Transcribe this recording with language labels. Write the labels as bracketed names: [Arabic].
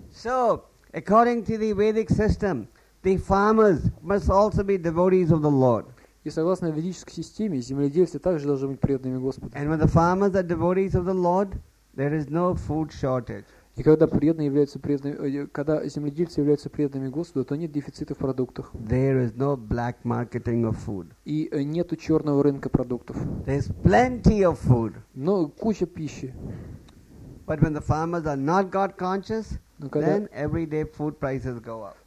[English] So, according to the Vedic system, the farmers must also be devotees of the Lord. [Russian] И согласно ведической системе, земледельцы также должны быть преданными Господу. [English] And when the farmers are devotees of the Lord, there is no food shortage. [Russian] И когда преданные являются преданными, когда земледельцы являются преданными Господу, то нет дефицита в продуктах. [English] There is no black marketing of food. [Russian] И нету черного рынка продуктов. [English] There is plenty of food. [Russian] Но куча пищи. [English] But when the farmers are not God conscious, then every day food prices go up.